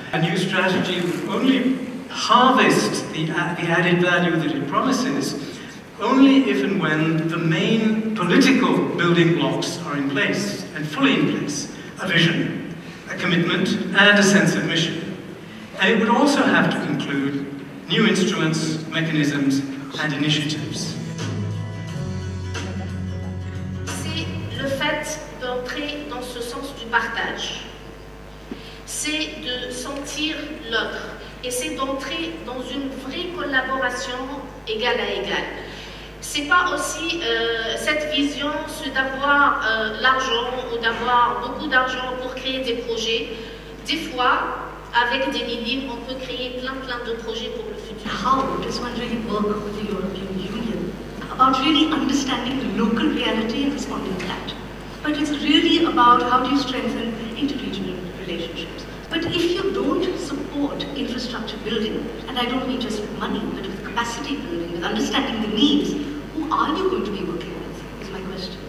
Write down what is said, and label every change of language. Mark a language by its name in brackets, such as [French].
[English] A new strategy would only harvest the added value that it promises only if and when the main political building blocks are in place, and fully in place: a vision, a commitment, and a sense of mission. And it would also have to include new instruments, mechanisms, and initiatives. [French] C'est le fait d'entrer dans ce sens du partage. C'est de sentir l'autre. Et c'est d'entrer dans une vraie collaboration égale à égale. C'est pas aussi cette vision, c'est d'avoir l'argent ou d'avoir beaucoup d'argent pour créer des projets. Des fois, avec des millimes, on peut créer plein de projets pour le futur. [English] How does one really work with the European Union? About really understanding the local reality and responding to that. But it's really about how do you strengthen interregional relationships. But if you don't support infrastructure building, and I don't mean just with money, but with capacity building, with understanding the needs, who are you going to be working with, is my question.